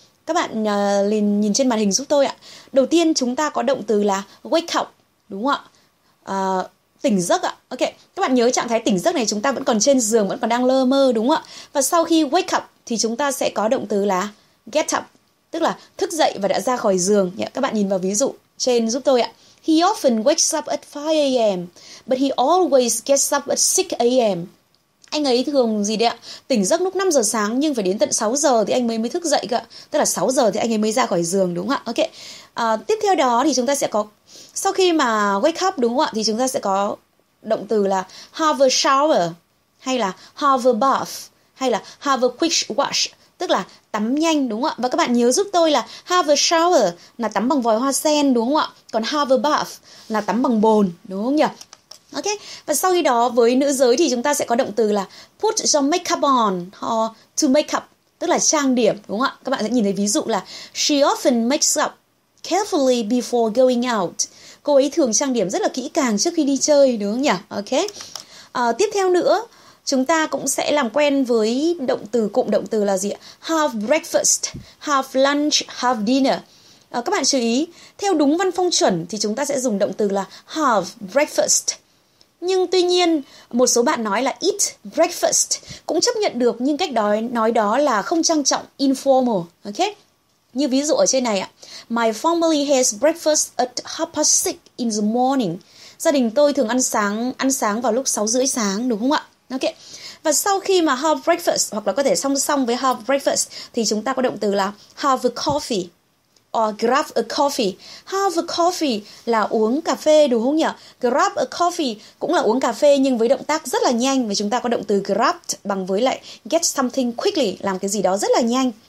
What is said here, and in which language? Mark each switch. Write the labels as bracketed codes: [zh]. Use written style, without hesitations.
[vi] Các bạn liền nhìn trên màn hình giúp tôi ạ. Đầu tiên chúng ta có động từ là wake up, đúng không ạ? Tỉnh giấc ạ. Ok. Các bạn nhớ trạng thái tỉnh giấc này chúng ta vẫn còn trên giường, vẫn còn đang lơ mơ đúng không ạ? Và sau khi wake up thì chúng ta sẽ có động từ là get up, tức là thức dậy và đã ra khỏi giường. Các bạn nhìn vào ví dụ trên giúp tôi ạ. [en] He often wakes up at 5 a.m. but he always gets up at 6 a.m. [vi] Anh ấy thường gì đấy ạ? Tỉnh giấc lúc 5 giờ sáng nhưng phải đến tận 6 giờ thì anh mới thức dậy cơ. Tức là 6 giờ thì anh ấy mới ra khỏi giường đúng không ạ? Ok. Tiếp theo đó thì chúng ta sẽ có sau khi mà wake up đúng không ạ? Thì chúng ta sẽ có động từ là [en] have a shower [vi] hay là [en] have a bath [vi] hay là [en] have a quick wash. [vi] Tức là tắm nhanh đúng không ạ? Và các bạn nhớ giúp tôi là have a shower là tắm bằng vòi hoa sen đúng không ạ? Còn have a bath là tắm bằng bồn đúng không nhỉ? Ok. Và sau khi đó với nữ giới thì chúng ta sẽ có động từ là [en] put your makeup on or to make up. [vi] tức là trang điểm, đúng không ạ? Các bạn sẽ nhìn thấy ví dụ là [en] she often makes up carefully before going out. [vi] Cô ấy thường trang điểm rất là kỹ càng trước khi đi chơi, đúng không nhỉ? Ok. Tiếp theo nữa, chúng ta cũng sẽ làm quen với động từ, cụm động từ là gì ạ? [en] Have breakfast, have lunch, have dinner. [vi] Các bạn chú ý, theo đúng văn phong chuẩn thì chúng ta sẽ dùng động từ là have breakfast. Nhưng tuy nhiên, một số bạn nói là eat breakfast cũng chấp nhận được, nhưng cách đó nói đó là không trang trọng, informal. Ok. Như ví dụ ở trên này ạ. [en] My family has breakfast at 6:30 in the morning. [vi] Gia đình tôi thường ăn sáng vào lúc 6:30 sáng, đúng không ạ? Ok. Và sau khi mà have breakfast, hoặc là có thể song song với have breakfast, thì chúng ta có động từ là [en] have a coffee or grab a coffee. [vi] Have a coffee là uống cà phê, đúng không nhỉ? Grab a coffee cũng là uống cà phê nhưng với động tác rất là nhanh, và chúng ta có động từ grabbed bằng với lại [en] get something quickly, [vi] làm cái gì đó rất là nhanh.